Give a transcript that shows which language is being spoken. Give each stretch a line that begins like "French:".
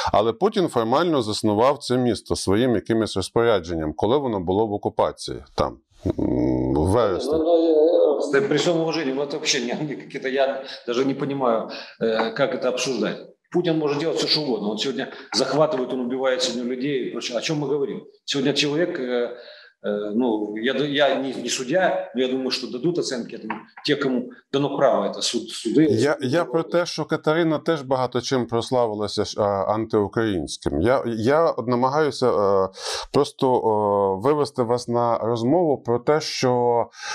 Ukrainian: Але Путін формально заснував це місто своїм якимось розпорядженням, коли воно було в окупації там, в вересні.
Russian: При всем уважении, это вообще какие-то, я даже не понимаю, как это обсуждать. Путин может делать все, что угодно. Он сегодня захватывает, он убивает сегодня людей. О чем мы говорим? Сегодня человек, я не судья, но я думаю, что дадут оценки этому, те, кому дано право, это суды.
Ukrainian: Я про те, что Катерина теж багато чим прославилася антиукраїнським. Я намагаюся просто вивести вас на розмову про те, що...